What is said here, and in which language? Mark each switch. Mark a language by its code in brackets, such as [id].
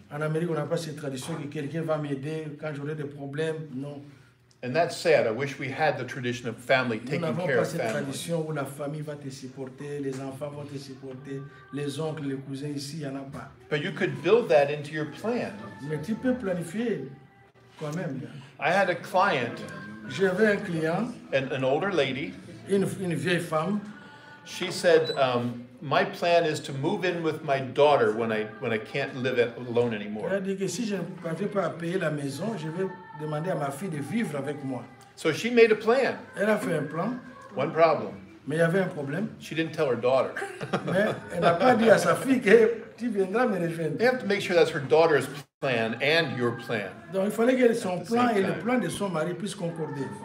[fr] En Amérique, on n'a pas cette tradition que quelqu'un va m'aider quand j'aurai des problèmes. Non. [en] And that's sad. I wish we had the tradition of family taking care of family. [fr] Nous n'avons pas cette tradition où la famille va te supporter, les enfants vont te supporter, les oncles, les cousins ici, il n'y en a pas. [en] But you could build that into your plan. [fr] Mais tu peux planifier quand même. [en] I had a client. [fr] J'avais un client. [en] An older lady. [fr] Une vieille femme. [en] She said, my plan is to move in with my daughter when I can't live alone anymore. [fr] Elle dit que si je ne parviens pas à payer la maison, je vais demander à ma fille de vivre avec moi. [en] So she made a plan. [fr] Elle a fait un plan. [en] One problem. [fr] Mais il y avait un problème. [en] She didn't tell her daughter. [fr] Mais elle n'a pas dit à sa fille que tu viendras me rejoindre. [en] They have to make sure that's her daughter's plan and your plan. [fr] Donc il fallait que son plan et le plan de son mari puissent concorder.